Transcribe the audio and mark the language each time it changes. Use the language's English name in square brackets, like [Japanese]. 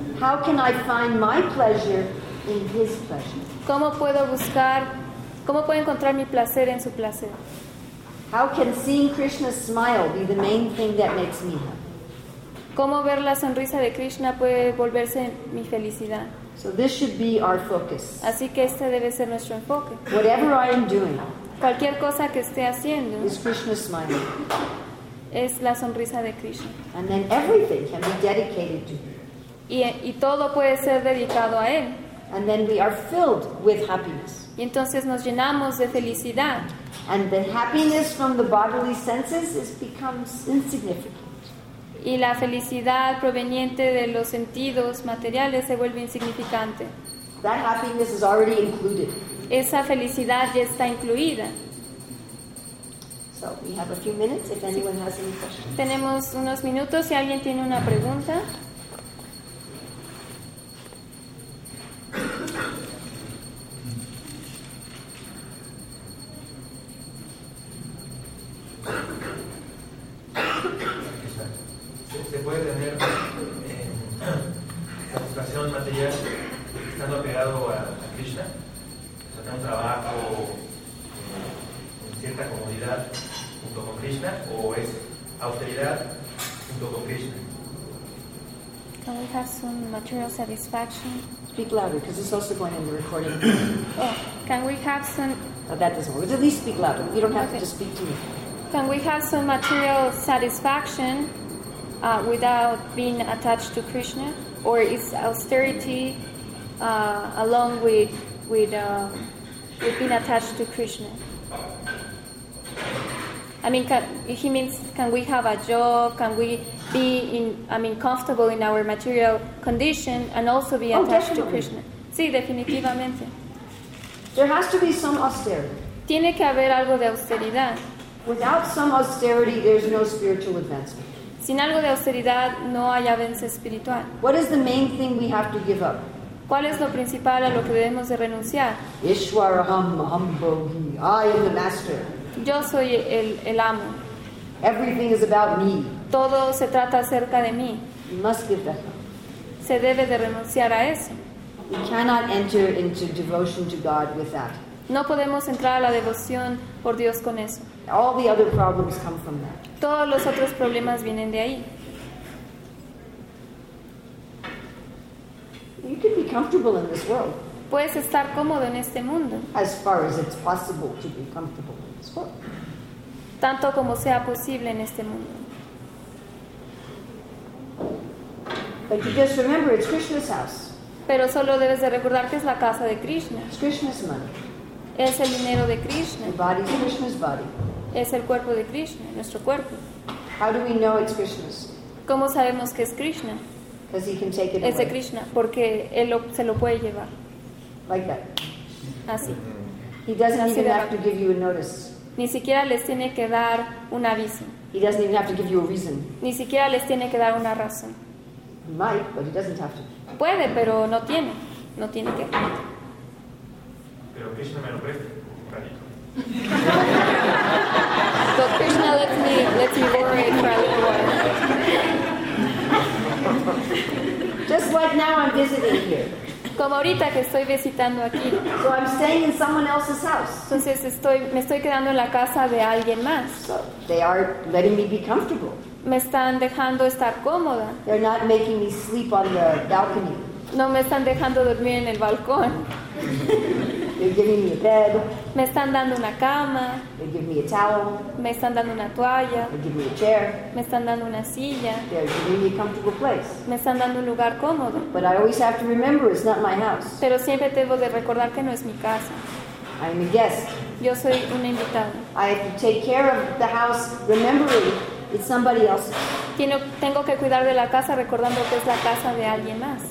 [English] How can I find my pleasure in his pleasure? [Spanish] ¿Cómo puedo encontrar mi placer en su placer? [English] How can seeing Krishna's smile be the main thing that makes me happy? [Spanish] ¿Cómo ver la sonrisa de Krishna puede volverse mi felicidad? [English] So this should be our focus. [Spanish] Así que este debe ser nuestro enfoque. [English] Whatever I am doing, [Spanish] cualquier cosa que esté haciendo, [English] is Krishna's smile. [Spanish] Es la sonrisa de Krishna. [English] And then everything can be dedicated to him. [Spanish] Y todo puede ser dedicado a él. [English] And then we are filled with happiness. [Spanish] Y entonces nos llenamos de felicidad. [English] And the happiness from the bodily senses becomes insignificant. [Spanish] Y la felicidad proveniente de los sentidos materiales se vuelve insignificante. [English] That happiness is already included. [Spanish] Esa felicidad ya está incluida. [English] So we have a few minutes if anyone has any questions. [Spanish] Tenemos unos minutos si alguien tiene una pregunta. ¿Se puede tener satisfacción material estando apegado a Krishna? O sea, tener un trabajo con cierta comodidad junto con Krishna, o es austeridad junto con Krishna. [English] Can we have some material satisfaction? Speak louder, because it's also going in the recording. Can we have some... Oh, that doesn't work. At least speak louder. You don't have to just speak to me. Can we have some material satisfaction without being attached to Krishna? Or is austerity along with being attached to Krishna? I mean, can we have a job? Can we be comfortable in our material condition and also be attached to Krishna? [Spanish] Sí, definitivamente. [English] There has to be some austerity. [Spanish] Tiene que haber algo de austeridad. [English] Without some austerity, there's no spiritual advancement. [Spanish] Sin algo de austeridad, no hay avance espiritual. [English] What is the main thing we have to give up? [Spanish] ¿Cuál es lo principal a lo que debemos de renunciar? [English] Ishwaraham Ambhogi. I am the master. [Spanish] Yo soy el amo. [English] Everything is about me. [Spanish] Todo se trata acerca de mí. [English] You must give that up. [Spanish] Se debe de renunciar a eso. [English] We cannot enter into devotion to God with that. [Spanish] No podemos entrar a la devoción por Dios con eso. [English] All the other problems come from that. [Spanish] Todos los otros problemas vienen de ahí. [English] You can be comfortable in this world. [Spanish] Puedes estar cómodo en este mundo. [English] As far as it's possible to be comfortable. [Spanish] Tanto como sea posible en este mundo. [English] But you just remember, it's Krishna's house. [Spanish] Pero solo debes de recordar que es la casa de Krishna. [English] It's Krishna's money. [Spanish] Es el dinero de Krishna. [English] The body is Krishna's body. [Spanish] Es el cuerpo de Krishna, nuestro cuerpo. [English] How do we know it's Krishna's? [Spanish] ¿Cómo sabemos que es Krishna? [English] Because he can take it [Spanish] es [English] away. [Spanish] De Krishna, porque él se lo puede llevar. [English] Like that. [Spanish] Así. [English] He doesn't even have to give you a notice. [Spanish] Ni siquiera les tiene que dar un aviso. [English] He doesn't even have to give you a reason. [Spanish] Ni siquiera les tiene que dar una razón. [English] He might, but he doesn't have to. [Spanish] Puede, pero no tiene. No tiene que. Pero Krishna me lo presta. [English] So Krishna lets me borrow it for a little while. Just like now I'm visiting here. [Spanish] Como ahorita que estoy visitando aquí. [English] So I'm staying in someone else's house. [Spanish] Entonces me estoy quedando en la casa de alguien más. [English] So they are letting me be comfortable. [Spanish] Me están dejando estar cómoda. [English] They're not making me sleep on the balcony. [Spanish] No me están dejando dormir en el balcón. [English] They're giving me a bed. [Spanish] Me están dando una cama. [English] They give me a towel. [Spanish] Me están dando una toalla. [English] They give me a chair. [Spanish] Me están dando una silla. [English] They're giving me a comfortable place. [Spanish] Me están dando un lugar cómodo. [English] But I always have to remember it's not my house. [Spanish] Pero siempre tengo de recordar que no es mi casa. [English] I'm a guest. [Spanish] Yo soy una invitada. [English] I have to take care of the house remembering it's somebody else's. [Spanish] Tengo que cuidar de la casa recordando que es la casa de alguien más.